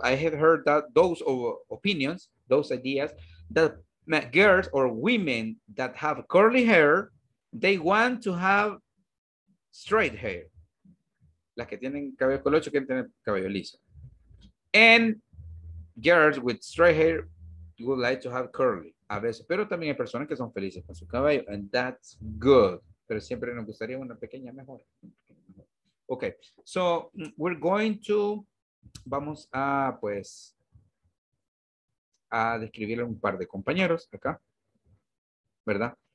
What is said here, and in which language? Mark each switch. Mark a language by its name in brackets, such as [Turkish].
[English] I have heard that those opinions, those ideas, that girls or women that have curly hair, they want to have straight hair. [Spanish] Las que tienen cabello colocho quieren tener cabello liso. [English] And girls with straight hair would like to have curly. [Spanish] A veces, pero también hay personas que son felices con su cabello. [English] And that's good. [Spanish] Pero siempre nos gustaría una pequeña mejora. [English] Okay, so we're going to, [Spanish] vamos a pues, a describirle un par de compañeros acá, ¿verdad?